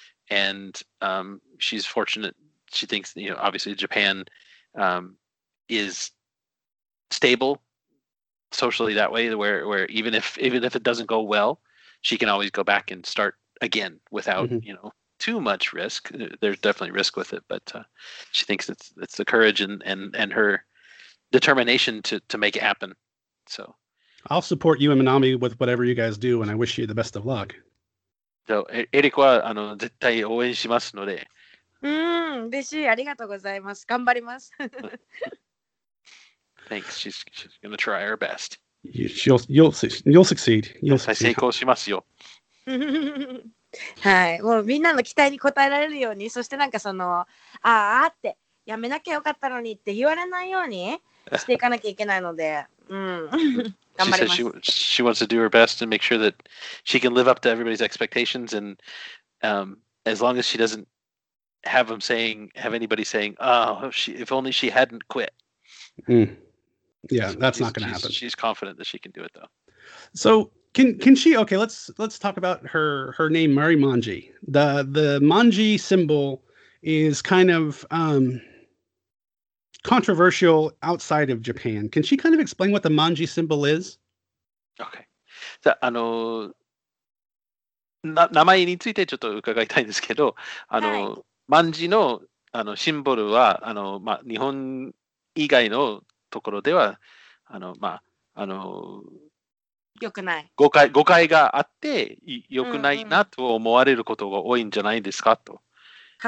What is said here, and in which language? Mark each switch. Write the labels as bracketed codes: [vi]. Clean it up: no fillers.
[en] And she's fortunate. She thinks, you know, obviously Japan is stable socially that way, where even if it doesn't go well, she can always go back and start again without, you know, too much risk. There's definitely risk with it, but she thinks it's the courage and her determination to make it happen. So I'll support you and Manami with whatever you guys do, and I wish you the best of luck. [ja] So Eric は、あの、絶対応援しますので。嬉しい、ありがとうございます。頑張ります。 [en] Thanks. She's going to try her best. You'll succeed. You'll succeed. [ja] 成功しますよ。はい。もうみんなの期待に応えられるように、そしてなんかその、ああって、やめなきゃよかったのにって言われないようにしていかなきゃいけないので、頑張ります。 [en] She says she wants to do her best and make sure that she can live up to everybody's expectations, and as long as she doesn'tHave anybody saying, oh, if only she hadn't quit. Yeah, that's not going to happen. She's confident that she can do it, though. So can she, okay, let's talk about her name, Mari Manji. The Manji symbol is kind of controversial outside of Japan. Can she kind of explain what the Manji symbol is? Okay. So, [ja] 名前についてちょっと伺いたいんですけど、あの、はい、万字の、あのシンボルはあの、まあ、日本以外のところではあの、まあ、あのよくない誤解があってよくないなと思われることが多いんじゃないですか、うんうん、と。